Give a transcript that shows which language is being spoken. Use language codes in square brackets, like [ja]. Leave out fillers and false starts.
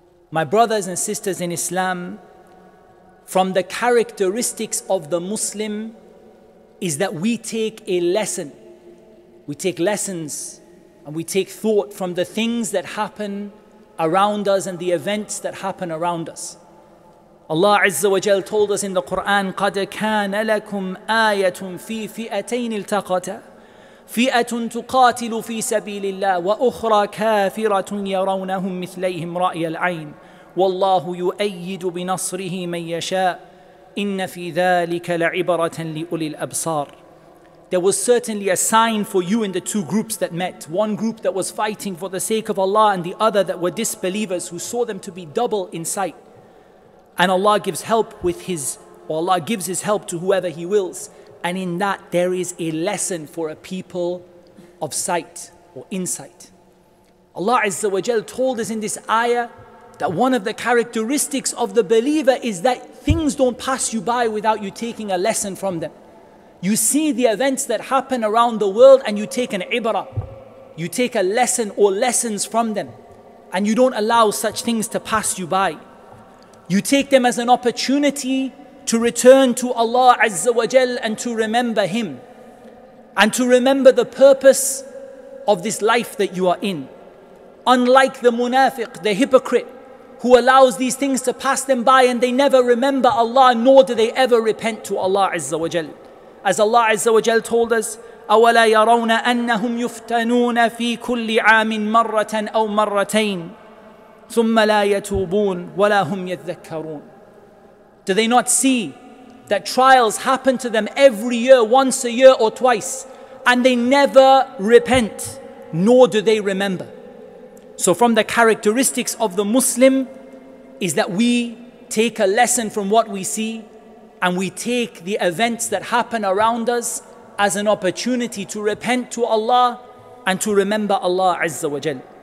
[en] My brothers and sisters in Islam, from the characteristics of the Muslim is that we take a lesson. We take lessons and we take thought from the things that happen around us and the events that happen around us. Allah Azza wa Jal told us in the Quran, [ar] قَدْ كَانَ لَكُمْ آيَةٌ فِي فِئَتَيْنِ الْتَقَتَى فِئَةٌ تُقَاتِلُ فِي سَبِيلِ اللَّهِ وَأُخْرَى كَافِرَةٌ يَرَوْنَهُمْ مِثْلَيْهِمْ رَأْيَ الْعَيْنِ وَاللَّهُ يُؤَيِّدُ بِنَصْرِهِ مَنْ يَشَاءُ إِنَّ فِي ذَٰلِكَ لَعِبَرَةً لِأُولِي الْأَبْصَارِ. [en] There was certainly a sign for you in the two groups that met. One group that was fighting for the sake of Allah, and the other that were disbelievers who saw them to be double in sight. And Allah gives help with His, or Allah gives His help to whoever He wills. And in that there is a lesson for a people of sight or insight. Allah Azza wa Jal told us in this ayah that one of the characteristics of the believer is that things don't pass you by without you taking a lesson from them. You see the events that happen around the world and you take an ibrah. You take a lesson or lessons from them, and you don't allow such things to pass you by. You take them as an opportunity to return to Allah Azza wa Jal and to remember Him, and to remember the purpose of this life that you are in. Unlike the munafiq, the hypocrite, who allows these things to pass them by and they never remember Allah, nor do they ever repent to Allah Azza wa Jal. As Allah Azza wa Jal told us, [ar] أَوَلَا يَرَوْنَ أَنَّهُمْ يُفْتَنُونَ فِي كُلِّ عَامٍ مَرَّةً أَوْ مَرَّتَيْنِ ثُمَّ لَا يَتُوبُونَ وَلَا هُمْ يَذَّكَّرُونَ. [en] Do they not see that trials happen to them every year, once a year or twice, and they never repent, nor do they remember? So from the characteristics of the Muslim is that we take a lesson from what we see, and we take the events that happen around us as an opportunity to repent to Allah and to remember Allah Azza wa Jal.